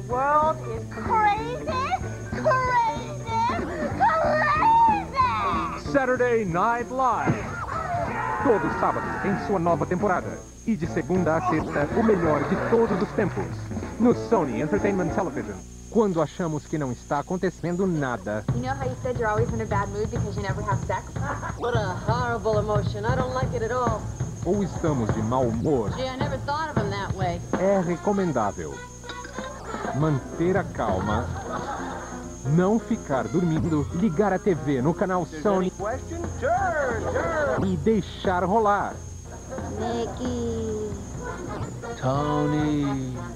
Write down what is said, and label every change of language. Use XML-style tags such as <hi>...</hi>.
<en>The world is crazy!</en> <pt>Saturday Night Live. Todo sábado, em sua nova temporada. E de segunda a sexta, o melhor de todos os tempos. No Sony Entertainment Television. Quando achamos que não está acontecendo nada.</pt> <en>You know how you said you're always in a bad mood because you never have sex? What a horrible emotion. I don't like it at all.</en> <pt>Ou estamos de mau humor.</pt> <en>Gee, I never thought of them that way.</en> <pt>É recomendável manter a calma, não ficar dormindo, ligar a TV no canal Sony.</pt> <en>Any question? Turn.</en> <pt>E deixar rolar. Nicky. Tony.</pt>